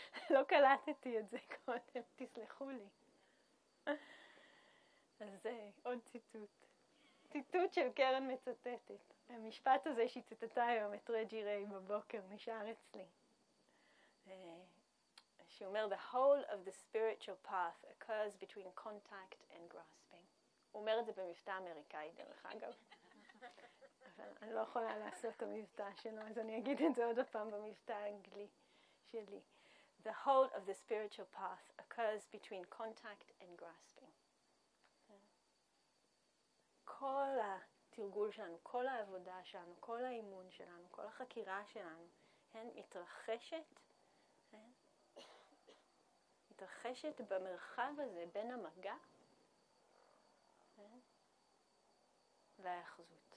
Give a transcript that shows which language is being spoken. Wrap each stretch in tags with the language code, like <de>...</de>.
<he>לא קלטתי את זה קודם, תסלחו לי. אז זה עוד ציטוט. ציטוט של קרן מצטטת. המשפט הזה שהיא ציטטה היום את רג'י ריי בבוקר נשאר אצלי. שאומר,</he> <en>the whole of the spiritual path occurs between contact and grasping.</en> <he>הוא אומר את זה במבטא אמריקאי דרך אגב. אבל אני לא יכולה לעשות את המבטא שלו, אז אני אגיד את זה עוד פעם במבטא האנגלי שלי.</he> <en>The whole of the spiritual path occurs between contact and grasping.</en> <he>כל התרגול שלנו, כל העבודה שלנו, כל האימון שלנו, כל החקירה שלנו, הן מתרחשת, מתרחשת במרחב הזה בין המגע וההיאחזות.</he>